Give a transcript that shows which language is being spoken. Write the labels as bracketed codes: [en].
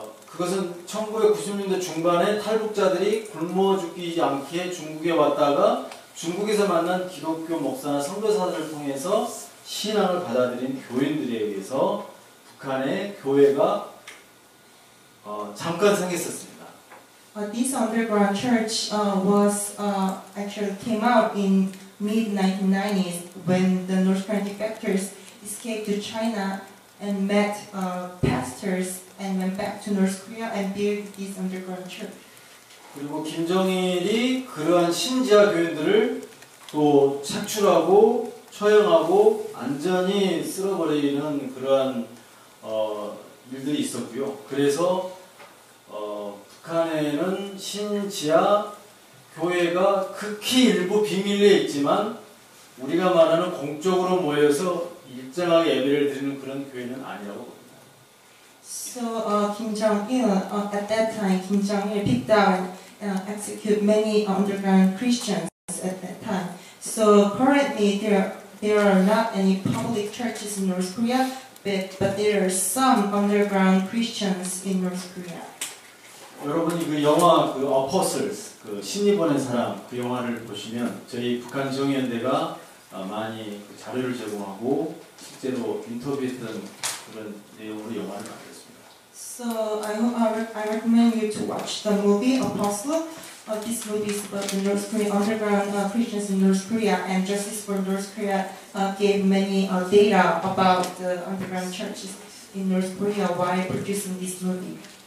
[ko] 그것은 1990년대 중반에 탈북자들이 굶어 죽기 않게 중국에 왔다가 중국에서 만난 기독교 목사나 선교사들을 통해서 신앙을 받아들인 교인들에 의해서 북한의 교회가 잠깐 생겼었습니다. [en] This underground church actually came out in mid-1990s when the North Korean defectors escaped to China and met pastors and went back to North Korea and built this underground church. [ko] 그리고 김정일이 그러한 신지하 교인들을 또 차출하고 처형하고 안전히 쓸어버리는 그러한 일들이 있었고요. 그래서 북한에는 신지하 교회가 극히 일부 비밀리에 있지만 우리가 말하는 공적으로 모여서 일정하게 예배를 드리는 그런 교회는 아니라고. [en] So Kim Jong-il at that time Kim Jong-il picked out execute many underground Christians at that time. So currently there are not any public churches in North Korea, but there are some underground Christians in North Korea. [ko] 여러분이 그 영화 그 Apostles 그 신이 보낸 사람 그 영화를 보시면 저희 북한 지역연대가 많이 그 자료를 제공하고 실제로 인터뷰했던 그런 내용으로 영화를 만들. [en] So I recommend you to watch the movie Apostle. This movie is about the North Korean underground Christians in North Korea, and Justice for North Korea gave many data about the underground churches in North Korea while producing this movie.